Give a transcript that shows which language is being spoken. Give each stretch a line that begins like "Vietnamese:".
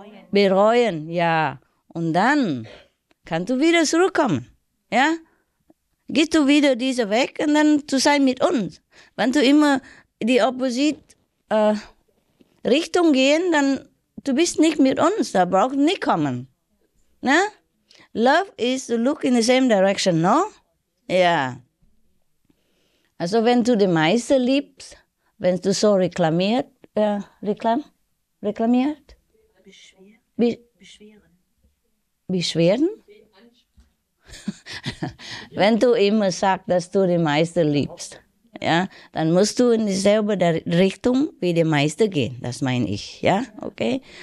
German: Bereuen, ja. Und dann kannst du wieder zurückkommen, ja? Gehst du wieder diese Weg und dann zu sein mit uns. Wenn du immer in die Opposite-Richtung gehst, dann du bist nicht mit uns, da brauchst du nicht kommen, ne?
English: Love is to look in the same direction, no?
German: Ja. Also wenn du den Meister liebst, wenn du so reklamiert, reklamiert? Beschweren. Wenn du immer sagst, dass du den Meister liebst, ja, dann musst du in dieselbe Richtung wie der Meister gehen, das meine ich, ja, okay?